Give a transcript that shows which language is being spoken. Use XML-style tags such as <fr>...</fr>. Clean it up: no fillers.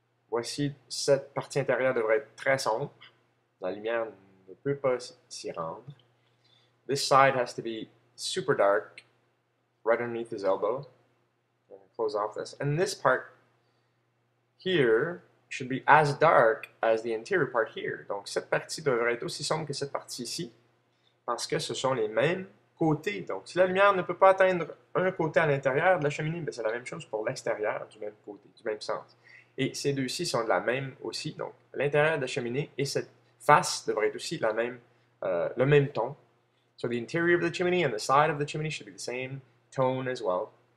<fr>Voici, cette partie intérieure devrait être très sombre. La lumière ne peut pas s'y rendre.</fr> <en>This side has to be super dark, right underneath his elbow. Close off this. And this part here should be as dark as the interior part here.</en> <fr>Donc, cette partie devrait être aussi sombre que cette partie ici, parce que ce sont les mêmes côtés. Donc, si la lumière ne peut pas atteindre un côté à l'intérieur de la cheminée, ben, c'est la même chose pour l'extérieur, du même côté, du même sens. Et ces deux-ci sont de la même aussi. Donc, l'intérieur de la cheminée et cette face devraient être aussi le même ton.</fr> <en>So, the interior of the chimney and the side of the chimney should be the same tone as well.</en>